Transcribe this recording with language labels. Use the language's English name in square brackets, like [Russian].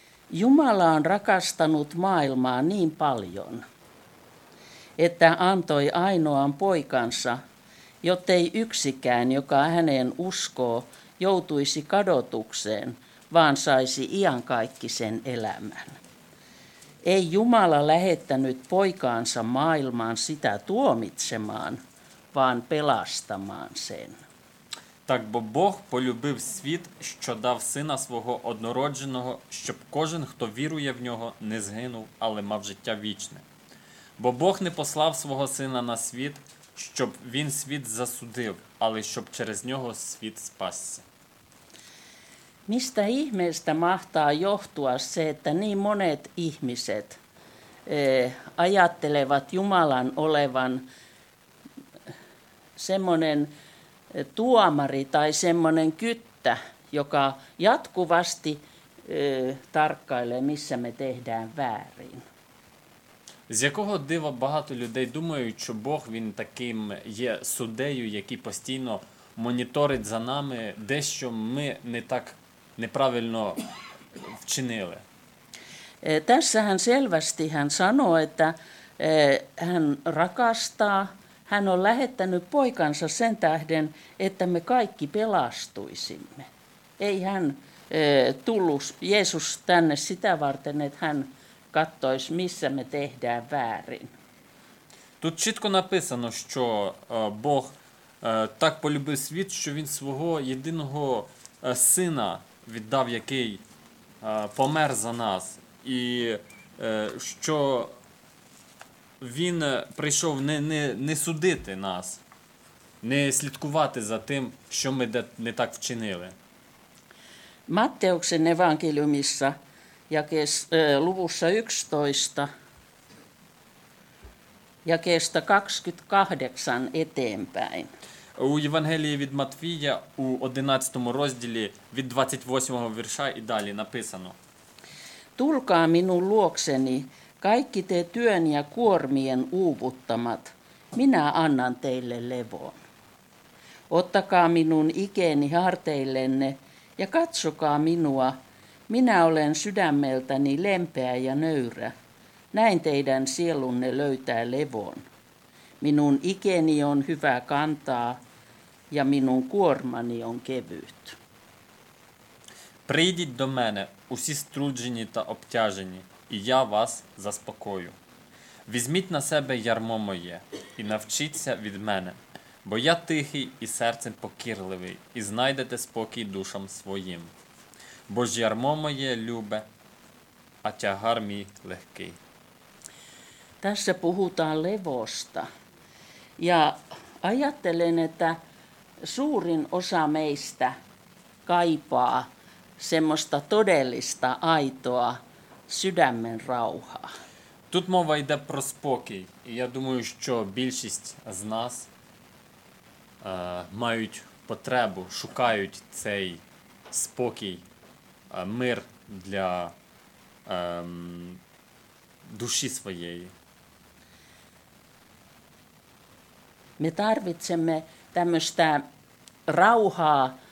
[Finnish] Jumala on rakastanut maailmaa niin paljon, että antoi ainoan poikansa, jottei yksikään, joka häneen uskoo, joutuisi kadotukseen, vaan saisi iankaikkisen elämän. Ei Jumala lähettänyt poikaansa maailmaan sitä tuomitsemaan, vaan pelastamaan sen. [Ukrainian] Так бо Бог полюбив світ, що дав сина свого однородженого, щоб кожен, хто вірує в нього, не згинув, але мав життя вічне. Бо Бог не послав свого сина на світ, щоб він світ засудив, але щоб через нього світ спасся. [Finnish] Mistä ihmeestä mahtaa johtua se, että niin monet ihmiset ajattelevat Jumalan olevan semmoinen tuomari tai semmoinen kyttä, joka jatkuvasti tarkkailee, missä me tehdään väärin. [Ukrainian] З якого дива багато людей думають, що Бог він таким є суддею, який постійно моніторить за нами, дещо ми не так неправильно вчинили. [Finnish] Tässähän selvästi hän sanoo, että hän rakastaa, hän on lähettänyt poikansa sen tähden, että me kaikki pelastuisimme. Ei hän tullut Jeesus tänne sitä varten, että hän katsoisi, missä me tehdään väärin. [Ukrainian] Тут чітко написано, що Бог так полюбив світ, що він свого єдиного сина віддав, який помер за нас, і що він прийшов не судити нас, не слідкувати за тим, що ми не так вчинили. [Finnish] Маттеуксен евангеліумісса, якес лувуса 11, якеста 28 етемпäin. [Ukrainian] У Євангелії від Матвія у 11 розділі від 28 вірша і далі написано. [Finnish] Tulkaa minun luokseni, kaikki te työn ja kuormien uuvuttamat, minä annan teille levon. Ottakaa minun ikeni harteillenne ja katsokaa minua, minä olen sydämeltäni lempeä ja nöyrä. Näin teidän sielunne löytää levon. Minun ikeni on hyvä kantaa ja minun kuormani on kevyt. [Ukrainian] Прийдіть до мене, усі струджені та обтяжені, і я вас заспокою. Візьміть на себе ярмо моє і навчіться від мене, бо я тихий і серцем покірливий, і знайдете спокій душам своїм. Бо ж ярмо моє любе, а тягар мій легкий. [Finnish] Tässä puhutaan levosta. Ja ajattelen, että suurin osa meistä kaipaa semmoista todellista, aitoa sydämen rauhaa. [Ukrainian] Тут мова йде про спокій. І я думаю, що більшість з нас мають потребу, шукають цей спокій, мир для душі своєї. [Finnish] Me tarvitsemme tämmöistä rauhaa